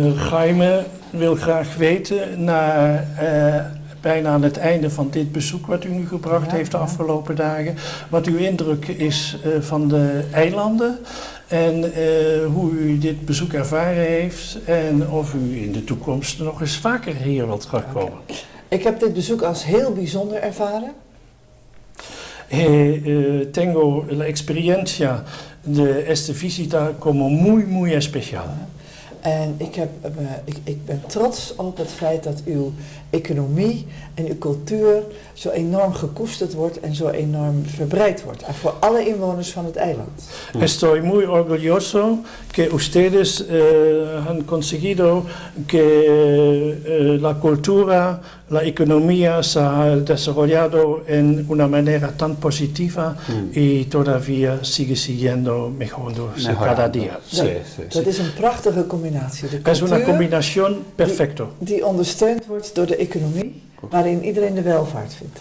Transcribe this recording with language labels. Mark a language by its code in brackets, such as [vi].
[nl] Jaime wil graag weten, na bijna aan het einde van dit bezoek wat u nu gebracht heeft de afgelopen dagen, wat uw indruk is van de eilanden. En hoe u dit bezoek ervaren heeft en of u in de toekomst nog eens vaker hier wilt terugkomen. [en] Okay. [nl] Ik heb dit bezoek als heel bijzonder ervaren. [es] Tengo la experiencia de esta visita como muy, muy especial. [nl] En ik ben trots op het feit dat uw economie en uw cultuur zo enorm gekoesterd wordt en zo enorm verbreid wordt voor alle inwoners van het eiland. [es] Estoy muy orgulloso que ustedes han conseguido que la cultura, la economía se ha desarrollado en una manera tan positiva y todavía sigue siguiendo mejorándose cada día. Sí, [nl] dat is een prachtige combinatie. [es] Es una combinación perfecto. [nl] Die ondersteund wordt door de economie, waarin iedereen de welvaart vindt.